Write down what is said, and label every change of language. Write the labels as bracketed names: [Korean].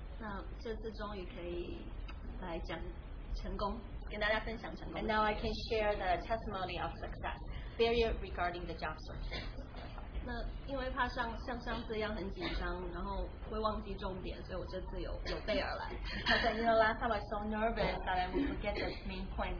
[Chinese] 那这次终于可以来讲成功，跟大家分享成功。 [English] And now I can share the testimony of success. Failure regarding the job search. [Chinese] 那因为怕像上次一样很紧张，然后会忘记重点，所以我这次有备而来。 [English] Because you know last time I was so nervous that I would forget the main point.